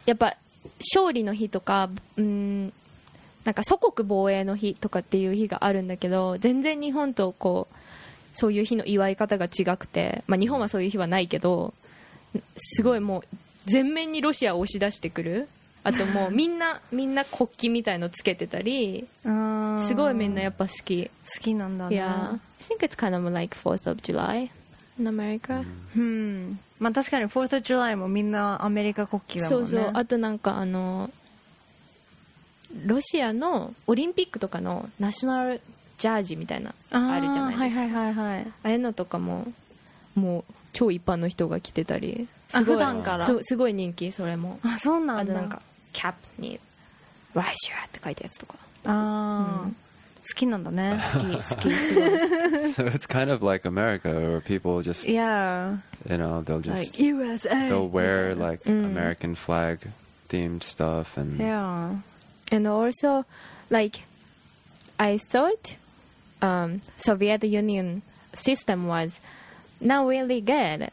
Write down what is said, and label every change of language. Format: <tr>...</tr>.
<ja>やっぱ勝利の日とか、なんか祖国防衛の日とかっていう日があるんだけど全然日本とこうそういう日の祝い方が違くて、まあ、日本はそういう日はないけどすごいもう全面にロシアを押し出してくるあともうみんな国旗みたいのつけてたりすごいみんなやっぱ好き好きなんだね</ja> <en>Yeah I think it's kind of like 4th of July in America</en> <ja>まあ確かに 4th of July もみんなアメリカ国旗だもんねそうそうあとなんかあのロシアのオリンピックとかのナショナルジャージみたいなあるじゃないですかはいはいはいはいああいうのとかももう超一般の人が着てたりすごい普段からそうすごい人気それもあそうなんだあとなんかキャップにロシアって書いたやつとかああ、好きなんだね好き</ja> <en>すごい So it's kind of like America where people just Yeah You know they'll just Like USA They'll wear like American flag themed stuff and Yeah And also like I thought Soviet Union system wasNot really good.</en>